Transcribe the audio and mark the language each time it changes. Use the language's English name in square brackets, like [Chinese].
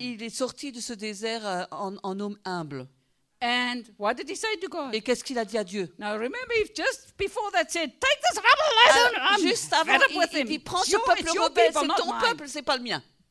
[French] Il est sorti de ce désert en homme humble. [English] And what did he say to God? [French] Et qu'est-ce qu'il a dit à Dieu? [English] Now remember, if just before that said, take this rebel, I don't know. [French] Juste avant, il dit, prends ce peuple rebelle, c'est ton peuple, c'est pas le mien.